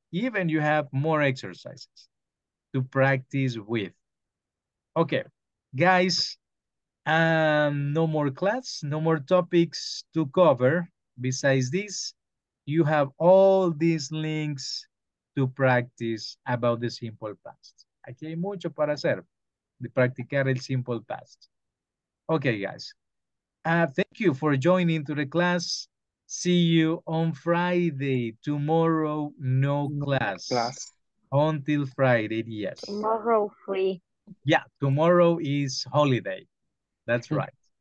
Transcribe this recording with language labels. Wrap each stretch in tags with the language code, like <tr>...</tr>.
<en>Even you have more exercises to practice with. Okay, guys, no more class, no more topics to cover. Besides this, you have all these links to practice about the simple past.</en> <es>Aquí hay mucho para hacer, de practicar el simple past.</es> <en>Okay, guys, thank you for joining to the class. See you on Friday. Tomorrow, no class. Class. Until Friday, yes. Tomorrow, free. Yeah, tomorrow is holiday. That's right.</en>